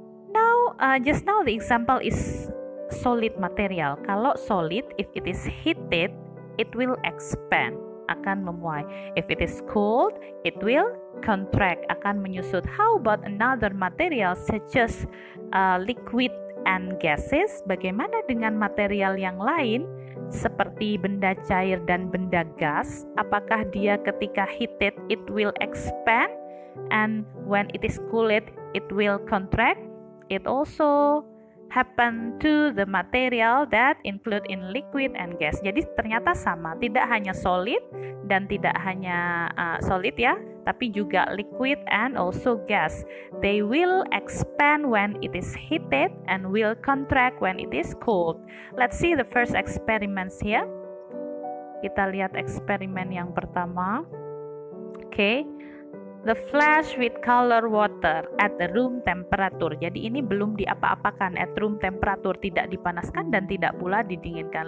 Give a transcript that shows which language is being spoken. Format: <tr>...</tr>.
<en>Now just now the example is solid material.</en> <id>Kalau solid,</id> <en>if it is heated, it will expand,</en> <id>akan memuai.</id> <en>If it is cold, it will contract,</en> <id>akan menyusut.</id> <en>How about another material such as liquid and gases?</en> <id>Bagaimana dengan material yang lain seperti benda cair dan benda gas? Apakah dia ketika</id> <en>heated it will expand and when it is cooled it will contract? It also happen to the material that include in liquid and gas.</en> <id>Jadi ternyata sama, tidak hanya solid dan tidak hanya solid ya, tapi juga</id> <en>liquid and also gas. They will expand when it is heated and will contract when it is cold. Let's see the first experiments here.</en> <id>Kita lihat eksperimen yang pertama.</id> <en>Okay. the flesh with colored water at the room temperature.</en> <id>Jadi ini belum diapa-apakan</id> <en>at room temperature,</en> <id>tidak dipanaskan dan tidak pula didinginkan.</id>